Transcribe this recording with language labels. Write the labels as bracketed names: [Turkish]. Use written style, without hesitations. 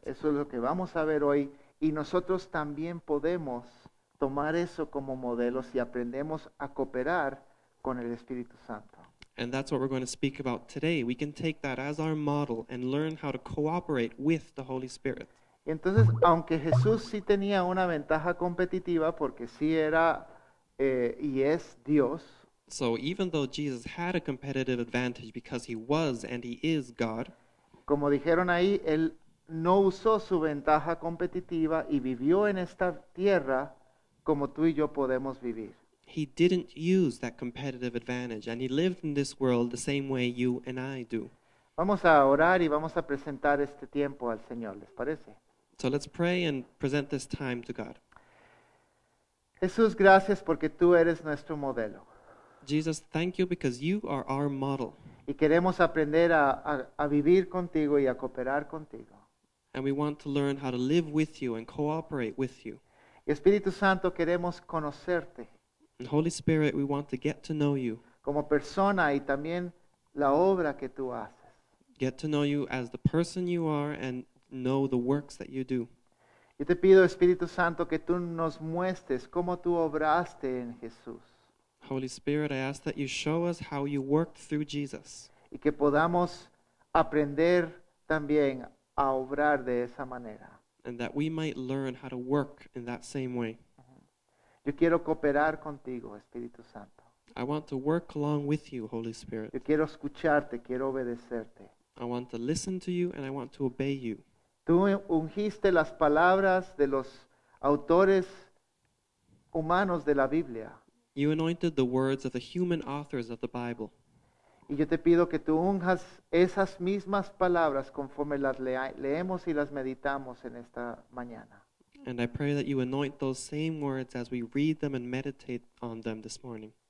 [Spanish] Eso es lo que vamos a ver hoy, y nosotros también podemos tomar eso como modelo si aprendemos a cooperar con el Espíritu Santo. [English] And that's what we're going to speak about today. We can take that as our model and learn how to cooperate with the Holy Spirit. [Spanish] Entonces, aunque Jesús sí tenía una ventaja competitiva porque sí era y es Dios. [English] So even though Jesus had a competitive advantage because he was and he is God. [Spanish] Como dijeron ahí, él no usó su ventaja competitiva y vivió en esta tierra como tú y yo podemos vivir. [English] He didn't use that competitive advantage and he lived in this world the same way you and I do. [Spanish] Vamos a orar y vamos a presentar este tiempo al Señor, ¿les parece? [English] So let's pray and present this time to God. [Spanish] Jesús, gracias porque tú eres nuestro modelo. [English] Jesus, thank you because you are our model. [Spanish] Y queremos aprender a vivir contigo y a cooperar contigo. [English] And we want to learn how to live with you and cooperate with you. [Spanish] Y Espíritu Santo, queremos conocerte. [English] And Holy Spirit, we want to get to know you. [Spanish] Como persona y también la obra que tú haces. [English] Get to know you as the person you are and know the works that you do. [Spanish] Yo te pido, Espíritu Santo, que tú nos muestres cómo tú obraste en Jesús. [English] Holy Spirit, I ask that you show us how you worked through Jesus. [Spanish] Y que podamos aprender también a obrar de esa manera. [English] And that we might learn how to work in that same way. [Spanish] Yo quiero cooperar contigo, Espíritu Santo. [English] I want to work along with you, Holy Spirit. [Spanish] Yo quiero escucharte, quiero obedecerte. [English] I want to listen to you and I want to obey you. [Spanish] Tú ungiste las palabras de los autores humanos de la Biblia. [English] You anointed the words of the human authors of the Bible. [Spanish] Y yo te pido que tú unjas esas mismas palabras conforme las leemos y las meditamos en esta mañana. [English] And I pray that you anoint those same words as we read them and meditate on them this morning.